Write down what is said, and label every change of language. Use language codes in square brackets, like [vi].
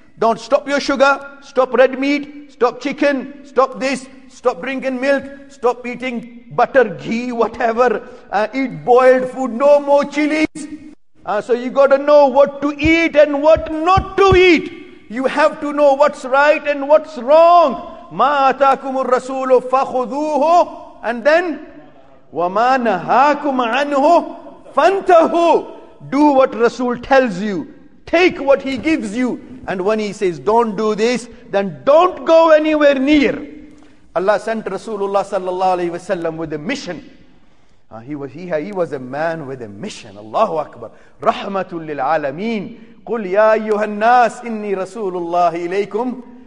[en] Don't stop your sugar. Stop red meat. Stop chicken. Stop this. Stop drinking milk. Stop eating butter, ghee, whatever. Eat boiled food. No more chilies. So you got to know what to eat and what not to eat. You have to know what's right and what's wrong. [ar] مَا أَتَاكُمُ الرَّسُولُ فَخُذُوهُ. [en] And then, [ar] وَمَا نَهَاكُمْ عَنْهُ فَانْتَهُ. [en] Do what Rasul tells you. Take what he gives you. And when he says, don't do this, then don't go anywhere near. Allah sent Rasulullah sallallahu alayhi wa sallam with a mission. He was a man with a mission. [ar] Allahu Akbar. رَحْمَةٌ لِلْعَالَمِينَ. قُلْ يَا أَيُّهَا النَّاسِ إِنِّي رَسُولُ اللَّهِ إِلَيْكُمْ.